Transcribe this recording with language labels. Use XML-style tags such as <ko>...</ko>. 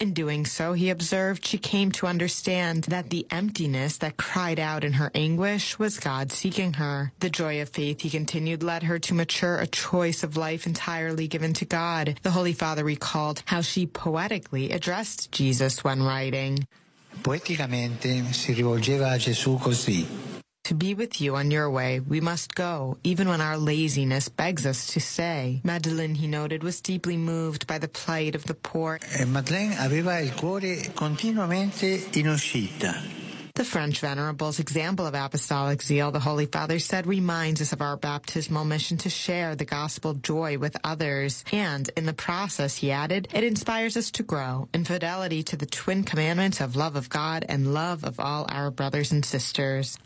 <en>In doing so, he observed, she came to understand that the emptiness that cried out in her anguish was God seeking her. The joy of faith, he continued, led her to mature a choice of life entirely given to God. The Holy Father recalled how she poetically addressed Jesus when writing.</en> <it>Poeticamente si rivolgeva a Gesù così.</it> <en>To be with you on your way, we must go, even when our laziness begs us to stay. Madeleine, he noted, was deeply moved by the plight of the poor.</en> <it>Madeleine aveva il cuore continuamente in uscita. The French Venerable's example of apostolic zeal, the Holy Father said, reminds us of our baptismal mission to share the gospel joy with others. And in the process, he added, it inspires us to grow in fidelity to the twin commandments of love of God and love of all our brothers and sisters.</it>